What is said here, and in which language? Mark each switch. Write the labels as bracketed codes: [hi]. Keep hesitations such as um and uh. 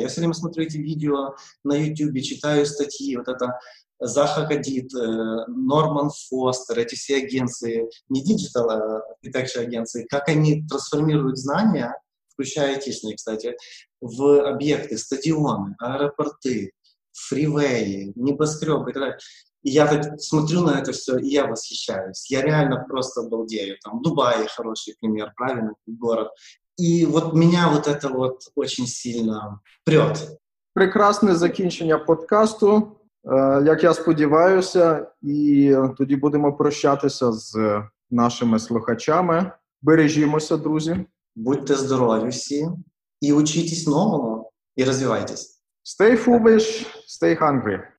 [ru] Я все время смотрю эти видео на YouTube, читаю статьи, вот это Заха Хадид, э, Норман Фостер, эти все агенции, не диджитал, а architecture агенции, как они трансформируют знания, включая айтишные, кстати, в объекты, стадионы, аэропорты, фривеи, небоскребы и так далее. И я так смотрю на это все, и я восхищаюсь. Я реально просто обалдею. Там Дубай хороший пример, правильно, город. И вот меня вот это вот очень сильно прет. [uk] Прекрасне закінчення подкасту. Е, Як я сподіваюся, і тоді будемо прощатися з нашими слухачами. Бережімося, друзі. Будьте здорові всі і учитесь новому, і розвивайтесь. [en] Stay foolish, stay hungry.